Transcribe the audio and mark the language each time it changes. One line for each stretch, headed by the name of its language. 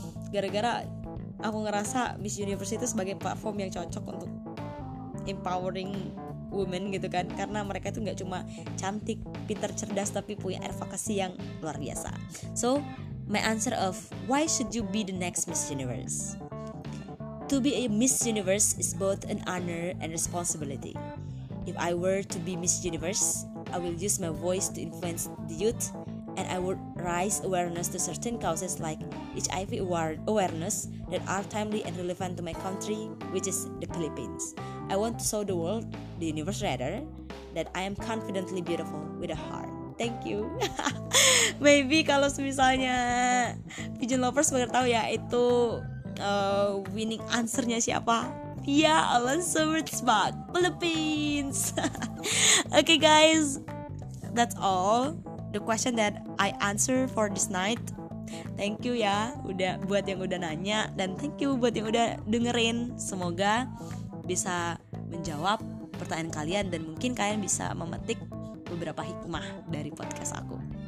Indonesian: Gara-gara aku ngerasa Miss Universe itu sebagai platform yang cocok untuk
English: empowering women
Indonesian: gitu kan, karena mereka itu nggak cuma cantik, pintar, cerdas, tapi punya advokasi yang luar biasa.
English: So my answer of why should you be the next Miss Universe? To be a Miss Universe is both an honor and responsibility. If I were to be Miss Universe, I will use my voice to influence the youth, and I would raise awareness to certain causes like HIV awareness that are timely and relevant to my country, which is the Philippines. I want to show the world, the universe rather, that I am confidently beautiful with a heart. Thank you. Maybe
Indonesian: kalau misalnya
English: pigeon lovers
Indonesian: mau tahu ya, itu winning answernya siapa?
English: Via Alonso Ritzbach, Philippines. Okay guys, that's all the question that I answer for this night. Thank you
Indonesian: ya udah buat yang udah nanya, dan
English: thank you
Indonesian: buat yang udah dengerin. Semoga bisa menjawab pertanyaan kalian, dan mungkin kalian bisa memetik beberapa hikmah dari podcast aku.